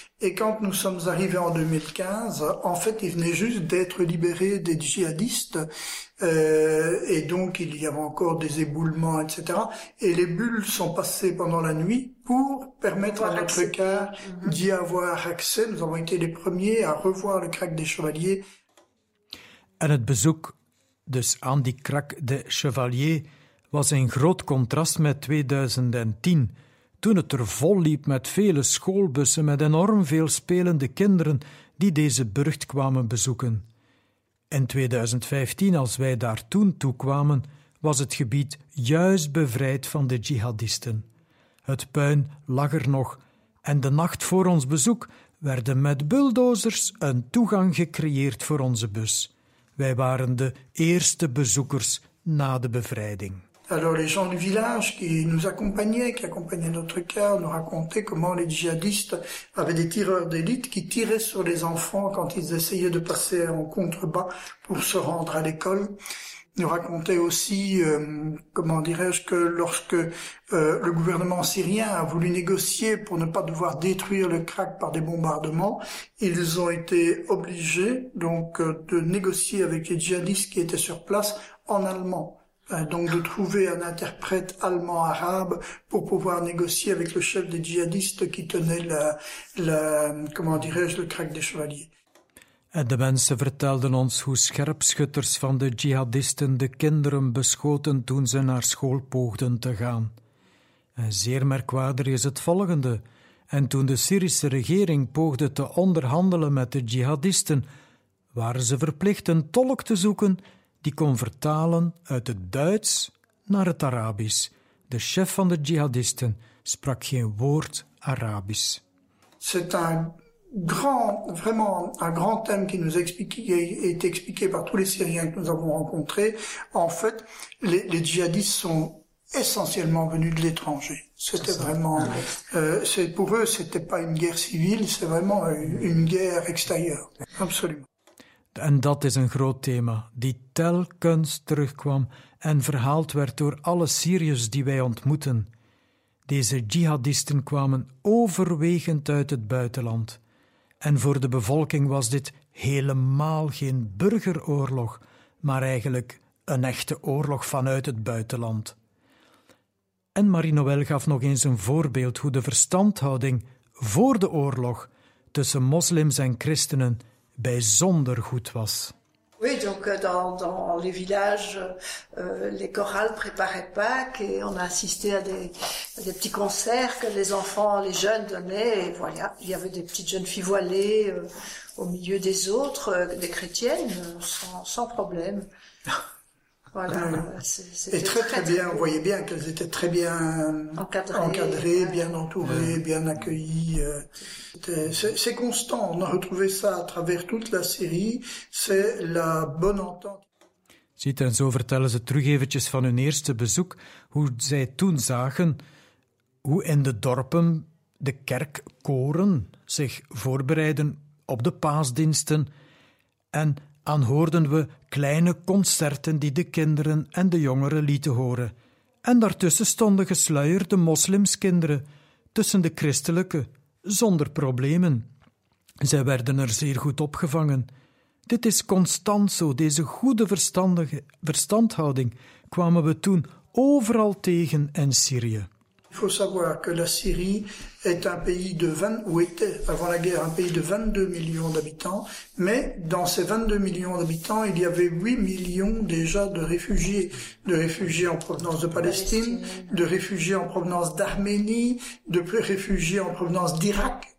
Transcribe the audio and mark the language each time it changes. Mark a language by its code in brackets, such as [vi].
[fr] Et quand nous sommes arrivés en 2015, en fait, ils venaient juste d'être libérés des djihadistes. Et donc, il y avait encore des éboulements, etc. Et les bulles sont passées pendant la nuit pour permettre à notre car d'y avoir accès. Nous avons été les premiers à revoir le Krak des Chevaliers. [nl] En het bezoek dus aan die Krak des Chevaliers was in groot contrast met 2010, toen het er vol liep met vele schoolbussen met enorm veel spelende kinderen die deze burcht kwamen bezoeken. In 2015, als wij daar toen toe kwamen, was het gebied juist bevrijd van de jihadisten. Het puin lag er nog en de nacht voor ons bezoek werden met bulldozers een toegang gecreëerd voor onze bus. Wij waren de eerste bezoekers na de bevrijding. [fr] Alors les gens du village qui nous accompagnaient, qui accompagnaient notre car, nous racontaient comment les djihadistes avaient des tireurs d'élite qui tiraient sur les enfants quand ils essayaient de passer en contrebas pour se rendre à l'école. Nous racontaient aussi, comment dirais-je, que lorsque le gouvernement syrien a voulu négocier pour ne pas devoir détruire le Krak par des bombardements, ils ont été obligés donc de négocier avec les djihadistes qui étaient sur place en allemand. Donc de trouver un interprète allemand-arabe pour pouvoir négocier avec le chef des djihadistes qui tenait le Krak des Chevaliers. [nl] En de mensen vertelden ons hoe scherpschutters van de djihadisten de kinderen beschoten toen ze naar school poogden te gaan. En zeer merkwaardig is het volgende. En toen de Syrische regering poogde te onderhandelen met de djihadisten, waren ze verplicht een tolk te zoeken die kon vertalen uit het Duits naar het Arabisch. De chef van de djihadisten sprak geen woord Arabisch. [fr] C'est un grand, vraiment un grand thème qui nous a expliqué par tous les Syriens que nous avons rencontrés. En fait, les djihadistes sont essentiellement venus de l'étranger. C'était vraiment, c'est pour eux, c'était pas une guerre civile, c'est vraiment une guerre extérieure. Absolument. [nl] En dat is een groot thema, die telkens terugkwam en verhaald werd door alle Syriërs die wij ontmoetten. Deze jihadisten kwamen overwegend uit het buitenland. En voor de bevolking was dit helemaal geen burgeroorlog, maar eigenlijk een echte oorlog vanuit het buitenland. En Marie-Noël gaf nog eens een voorbeeld hoe de verstandhouding voor de oorlog tussen moslims en christenen bijzonder goed was. [fr] Oui, donc dans les villages, les chorales préparaient Pâques et on a assisté à des petits concerts que les enfants, les jeunes donnaient. Et voilà, il y avait des petites jeunes filles voilées au milieu des autres, des chrétiennes, sans problème. Voilà, c'était très bien, on voyait bien qu'elles étaient très bien encadrées, bien entourées, bien accueillies. C'est constant, on a retrouvé ça à travers toute la Syrie, c'est la bonne entente. [nl] Ziet, en zo vertellen ze terug eventjes van hun eerste bezoek, hoe zij toen zagen hoe in de dorpen de kerkkoren zich voorbereiden op de paasdiensten en aanhoorden we kleine concerten die de kinderen en de jongeren lieten horen. En daartussen stonden gesluierde moslimskinderen tussen de christelijke, zonder problemen. Zij werden er zeer goed opgevangen. Dit is constant zo, deze goede verstandhouding kwamen we toen overal tegen in Syrië. [fr] Il faut savoir que la Syrie est un pays de 20, ou était avant la guerre un pays de 22 millions d'habitants, mais dans ces 22 millions d'habitants, il y avait 8 millions déjà de réfugiés en provenance de Palestine, de réfugiés en provenance d'Arménie, de réfugiés en provenance d'Irak